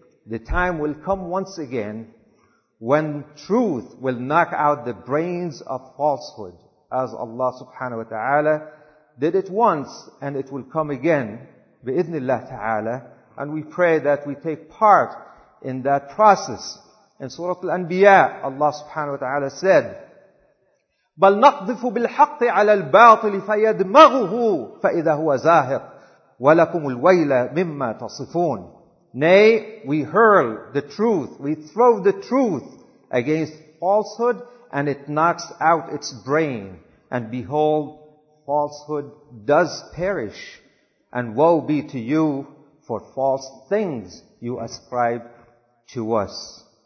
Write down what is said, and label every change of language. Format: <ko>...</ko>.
<en>the time will come once again when truth will knock out the brains of falsehood, as Allah subhanahu wa ta'ala did it once, and it will come again, bi-idhnillah ta'ala. And we pray that we take part in that process. In Surah Al-Anbiya, Allah subhanahu wa ta'ala said,</en> <ar>بَلْ نَقْذِفُ بِالْحَقِّ عَلَى الْبَاطِلِ فَيَدْمَغُهُ فَإِذَا هُوَ زَاهِقٌ وَلَكُمُ الْوَيْلَ مِمَّا تَصِفُونَ.</ar> <en>Nay, we hurl the truth, we throw the truth against falsehood, and it knocks out its brain. And behold, falsehood does perish. And woe be to you for false things you ascribe to us.</en>